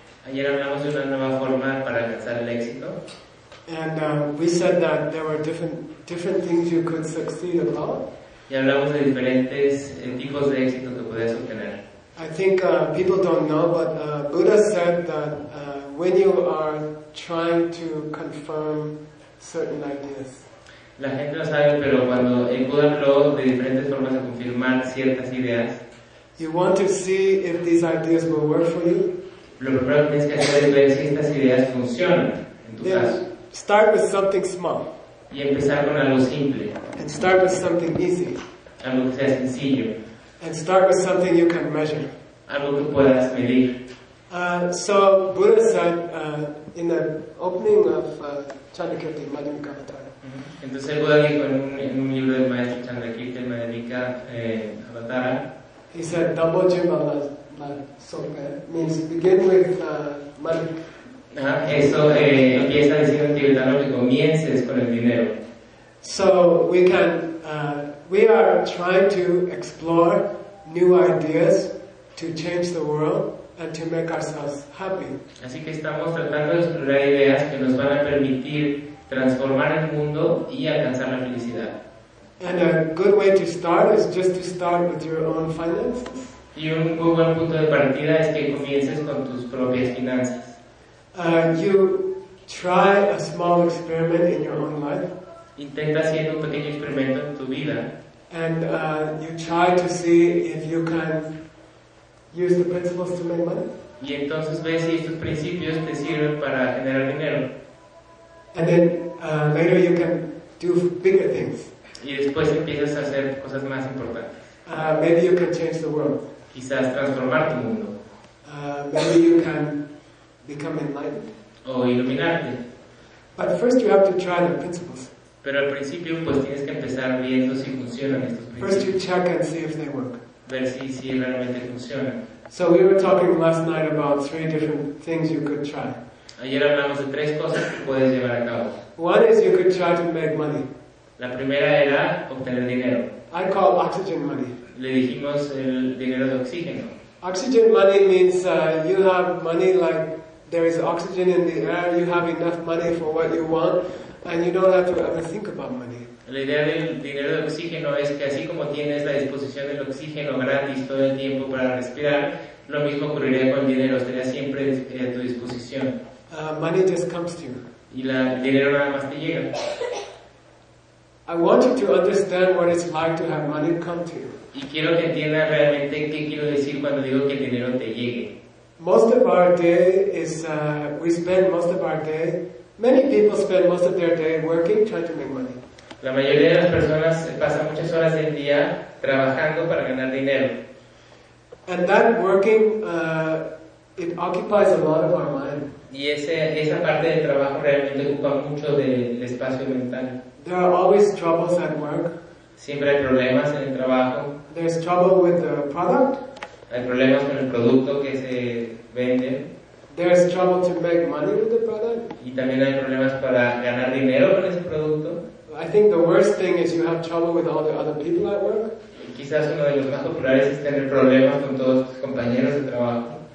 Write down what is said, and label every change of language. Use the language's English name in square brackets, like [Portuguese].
[Spanish] Ayer hablamos de una nueva forma para alcanzar el éxito. [English] And we said that there were different things you could succeed about. [Spanish] Y hablamos de diferentes tipos de éxito que puedes obtener. [English] I think people don't know, but Buddha said that when you are trying to confirm certain ideas. [Spanish] La gente no sabe, pero cuando el Buda habló de diferentes formas de confirmar ciertas ideas. [English] You want to see if these ideas will work for you. [Spanish] Lo primero que tienes que hacer es ver si estas ideas funcionan en tu caso. [English] Start with something small. [Spanish] Y empezar con algo simple. [English] And start with something easy. [Spanish] Algo que sea sencillo. [English] And start with something you can measure. [Spanish] Algo que puedas medir. [English] So Buddha said in the opening of Chandrakirti Madhyamika. [Spanish] Entonces el Buda dijo en un libro del maestro Chandrakirti Madhyamika Avatara. [English] He said double jiva la sopa means begin with money. [Spanish] Eso empieza diciendo en tibetano que comiences con el dinero. [English] So we can we are trying to explore new ideas to change the world and to make ourselves happy. [Spanish] Así que estamos tratando de explorar ideas que nos van a permitir transformar el mundo y alcanzar la felicidad. [English] And a good way to start is just to start with your own finances. [Spanish] Y un muy buen punto de partida es que comiences con tus propias finanzas. [English] You try a small experiment in your own life. [Spanish] Intenta hacer un pequeño experimento en tu vida. [English] And you try to see if you can use the principles to make money. [Spanish] Y entonces ves si estos principios te sirven para generar dinero. [English] And then later you can do bigger things. [Spanish] Y después empiezas a hacer cosas más importantes. [English] Maybe you can change the world. [Spanish] Quizás transformar tu mundo. [English] Maybe you can become enlightened. [Spanish] O iluminarte. [English] But first you have to try the principles. [Spanish] Pero al principio pues tienes que empezar viendo si funcionan estos principios. [English] First you check and see if they work. [Spanish] Ver si realmente funcionan. [English] So we were talking last night about three different things you could try. [Spanish] Ayer hablamos de tres cosas que puedes llevar a cabo. [English] One is you could try to make money. [Spanish] La primera era obtener dinero. [English] I call oxygen money. [Spanish] Le dijimos el dinero de oxígeno. [English] Oxygen money means you have money like there is oxygen in the air, you have enough money for what you want. And you don't have to ever think about money. [Spanish] La idea del dinero de oxígeno es que así como tienes la disposición del oxígeno gratis todo el tiempo para respirar, lo mismo ocurriría con el dinero, estaría siempre a tu disposición. [English] Money just comes to you. [Spanish] Y el dinero nada más te llega. [English] I want you to understand what it's like to have money come to you. [Spanish] Y quiero que entiendas realmente qué quiero decir cuando digo que el dinero te llegue. [English] Most of our day is, we spend most of our day. Many people spend most of their day working, trying to make money. [Spanish] La mayoría de las personas pasan muchas horas del día trabajando para ganar dinero. [English] And that working, it occupies a lot of our mind. [Spanish] Y esa parte del trabajo realmente ocupa mucho del espacio mental. [English] There are always troubles at work. [Spanish] Siempre hay problemas en el trabajo. [English] There's trouble with the product. [Spanish] Hay problemas con el producto que se vende. [English] There is trouble to make money with the product. [Spanish] Y también hay problemas para ganar dinero con ese producto. [English] I think the worst thing is you have trouble with all the other people at work. [Spanish] Quizás uno de los más populares es tener problemas con todos tus compañeros de trabajo.